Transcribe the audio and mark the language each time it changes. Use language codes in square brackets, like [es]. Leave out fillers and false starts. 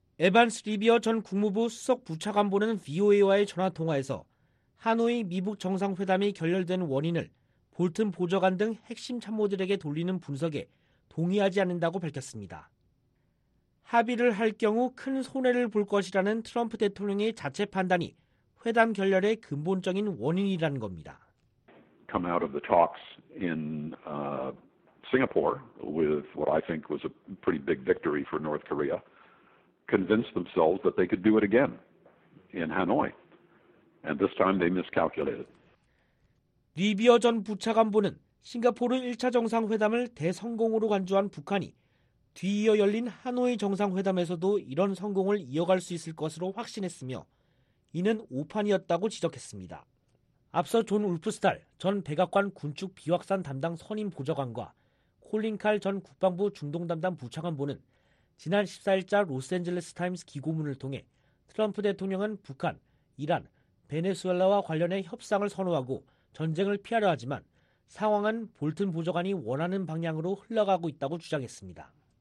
[ko] 에반스 리비어 전 국무부 수석 부차관보는 VOA와의 전화통화에서 하노이 미북 정상회담이 결렬된 원인을 볼튼 보좌관 등 핵심 참모들에게 돌리는 분석에 동의하지 않는다고 밝혔습니다. 합의를 할 경우 큰 손해를 볼 것이라는 트럼프 대통령의 자체 판단이 회담 결렬의 근본적인 원인이라는 겁니다. [en] Come out of the talks in Singapore with what I think was a pretty big victory for North Korea, convinced themselves that they could do it again in Hanoi, and this time they miscalculated. [ko] 리비어 전 부차관보는 싱가포르 1차 정상회담을 대성공으로 간주한 북한이 뒤이어 열린 하노이 정상회담에서도 이런 성공을 이어갈 수 있을 것으로 확신했으며 이는 오판이었다고 지적했습니다. 앞서 존 울프스탈 전 백악관 군축 비확산 담당 선임 보좌관과 콜린 칼 전 국방부 중동 담당 부차관보는 지난 14일자 로스앤젤레스 타임스 기고문을 통해 트럼프 대통령은 북한, 이란, 베네수엘라와 관련해 협상을 선호하고 전쟁을 피하려 하지만 상황은 볼튼 보좌관이 원하는 방향으로 흘러가고 있다고 주장했습니다.